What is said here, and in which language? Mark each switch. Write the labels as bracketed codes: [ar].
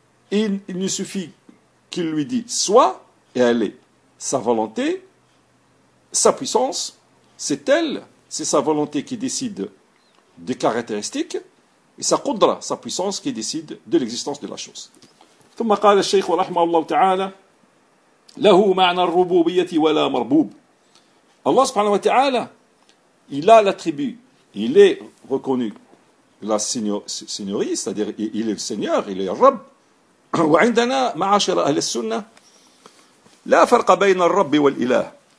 [fr] Il ne suffit qu'il lui dit soit, et elle est sa volonté. Sa puissance, c'est elle, c'est sa volonté qui décide des caractéristiques, et sa qudra, sa puissance qui décide de l'existence de la chose. [ar] ثم قال الشيخ رحمه الله تعالى له معنى الربوبية ولا مربوب. [fr] Allah subhanahu wa ta'ala, il a l'attribut, il est reconnu la seigneurie, c'est-à-dire il est le seigneur, il est le rab. [ar] وعندنا معاشر أهل السنة لا فرق بين الرب والإله.